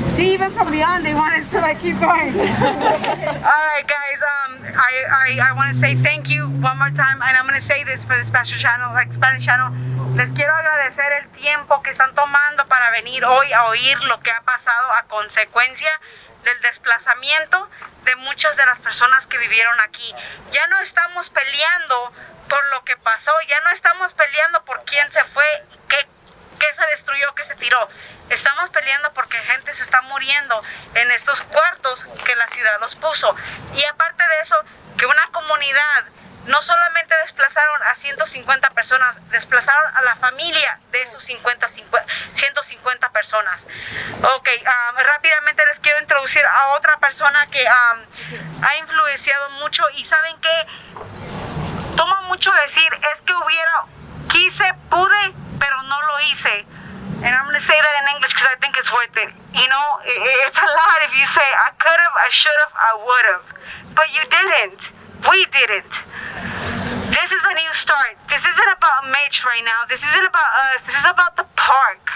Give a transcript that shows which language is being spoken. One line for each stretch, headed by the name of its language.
English: See, even from beyond, they want us to keep going. All right, guys. I want to say thank you one more time, and I'm going to say this for the special channel, like Spanish channel.
Spanish: Les quiero agradecer el tiempo que están tomando para venir hoy a oír lo que ha pasado a consecuencia del desplazamiento de muchas de las personas que vivieron aquí. Ya no estamos peleando por lo que pasó, ya no estamos peleando por quién se fue, qué se destruyó, qué se tiró. Estamos peleando porque gente se está muriendo en estos cuartos que la ciudad los puso. Y aparte de eso, que una comunidad no solamente desplazaron a 150 personas, desplazaron a la familia de esos 150 personas. Ok, rápidamente les quiero introducir a otra persona que ha influenciado mucho y saben que toma mucho decir, es que hubiera, quise, pude, pero no lo hice.
English: And I'm going to say that in English because I think it's worth it. You know, it's a lot if you say, I could have, I should have, I would have. But you didn't. We didn't. This is a new start. This isn't about Mitch right now. This isn't about us. This is about the park.